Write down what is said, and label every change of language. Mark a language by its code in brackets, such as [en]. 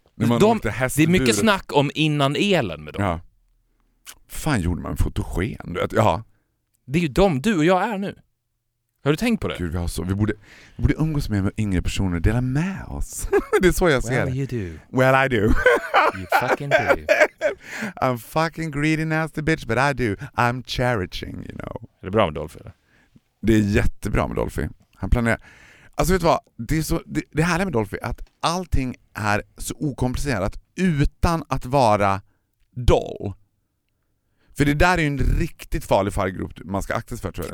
[sv] det är mycket snack om innan elen med dem. Ja. Fan gjorde man fotogen? Ja. Det är ju de du och jag är nu. Har du tänkt på det? Gud, vi borde umgås med yngre personer och dela med oss. Det är så jag ser [en] well, [sv] det. [en] Well, you do. Well, I do. You fucking do. I'm fucking greedy nasty bitch, but I do. I'm cherishing, you know. [sv] Är det bra med Dolphy? Eller? Det är jättebra med Dolphy. Han planerar... Alltså vet du vad, det här är med Dolphy att allting är så okomplicerat utan att vara doll. För det där är ju en riktigt farlig fallgrop man ska akta sig för, tror jag.